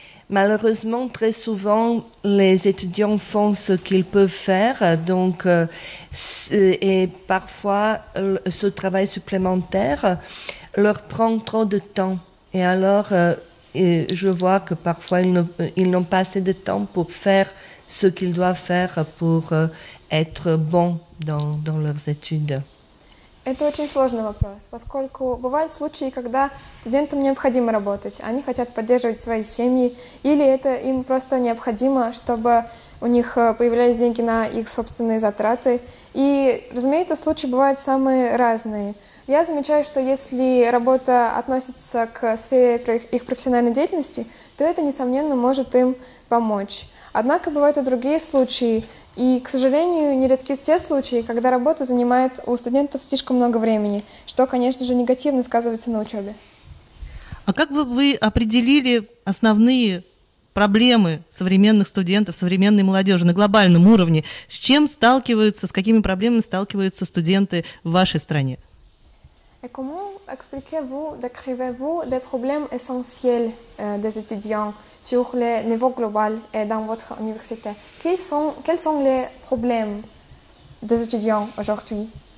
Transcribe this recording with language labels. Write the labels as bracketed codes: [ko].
[fr] Malheureusement, très souvent, les étudiants font ce qu'ils peuvent faire, donc, et parfois, ce travail supplémentaire leur prend trop de temps. Et alors, je vois que parfois, ils n'ont pas assez de temps pour faire ce qu'ils doivent faire pour être bons dans leurs études. [ru] Это очень сложный вопрос, поскольку бывают случаи, когда студентам необходимо работать, они хотят поддерживать свои семьи, или это им просто необходимо, чтобы у них появлялись деньги на их собственные затраты. И, разумеется, случаи бывают самые разные. Я замечаю, что если работа относится к сфере их профессиональной деятельности, то это, несомненно, может им помочь. Однако бывают и другие случаи, и, к сожалению, нередки те случаи, когда работа занимает у студентов слишком много времени, что, конечно же, негативно сказывается на учебе. А как бы вы определили основные проблемы современных студентов, современной молодежи на глобальном уровне? С чем сталкиваются, с какими проблемами сталкиваются студенты в вашей стране? [fr] Et comment expliquez-vous, décrivez-vous des problèmes essentiels des étudiants sur le niveau global et dans votre université? Quels sont les problèmes des étudiants aujourd'hui?